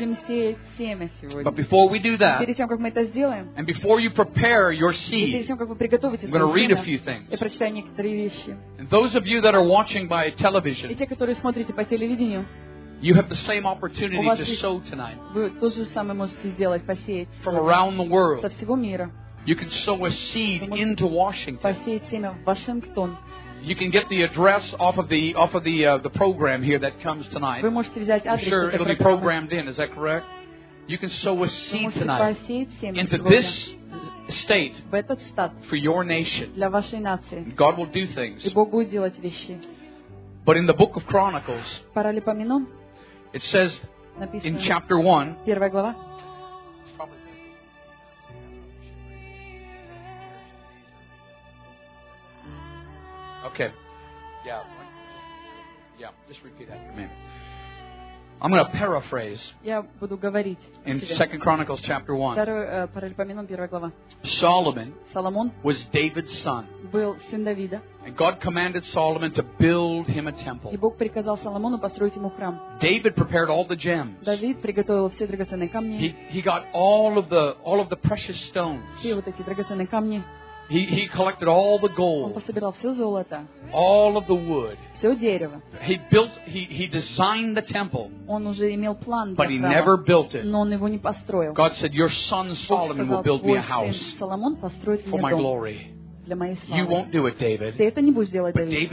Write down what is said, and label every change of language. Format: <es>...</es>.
<ru>Мы будем сеять семя сегодня.</ru> <en>But before we do that,</en> <ru>перед тем, как мы это сделаем,</ru> <en>and before you prepare your seed,</en> <ru>перед тем, как вы приготовите</ru> <en>I'm going to read a few things.</en> <ru>Я прочитаю некоторые вещи.</ru> <en>And those of you that are watching by television,</en> <ru>и те, которые смотрите по телевидению,</ru> <en>you have the same opportunity to sow tonight.</en> <ru>Вы то же самое можете сделать, посеять.</ru> <en>From around the world.</en> <ru>Со всего мира.</ru> <en>You can sow a seed into Washington.</en> <ru>Посеять семя в Вашингтон.</ru> <en>You can get the address off of the program here that comes tonight.</en> <ru>Вы можете взять адрес.</ru> <en>Sure, it'll be programmed in. Is that correct? You can sow a seed tonight.</en> <ru>Посеять семя</ru> <en>into this state.</en> <ru>В этот штат.</ru> <en>For your nation.</en> <ru>Для вашей нации.</ru> <en>God will do things.</en> <ru>И Бог будет делать вещи.</ru> <en>But in the book of Chronicles.</en> <ru>Паралипоменон.</ru> <en>It says in chapter 1,</en> <ru>первая глава.</ru> <en>Okay. Yeah. Just repeat after me. I'm going to paraphrase.</en> <ru>Я буду говорить.</ru> <en>In 2 Chronicles chapter 1.</en> <ru>Паралипоменон, первая глава.</ru> <en>Соломон was David's son.</en> <ru>Был сын Давида.</ru> <en>And God commanded Solomon to build him a temple.</en> <ru>И Бог приказал Соломону построить ему храм.</ru> <en>David prepared all the gems.</en> <ru>Давид приготовил все драгоценные камни.</ru> <en>He got all of the precious stones.</en> <ru>Все вот эти драгоценные камни.</ru> <en>He collected all the gold.</en> <ru>Он пособирал все золото.</ru> <en>All of the wood.</en> <ru>Все дерево.</ru> <en>He designed the temple.</en> <ru>Он уже имел план.</ru> <en>But he never built it.</en> <ru>Но он его не построил.</ru> <en>God said, "Your son Solomon will build me a house."</en> <ru>Соломон построит мне дом.</ru> <en>For my glory.</en> <ru>Для моей славы.</ru> <en>You won't do it, David.</en> <ru>Ты это не будешь делать, Давид.</ru>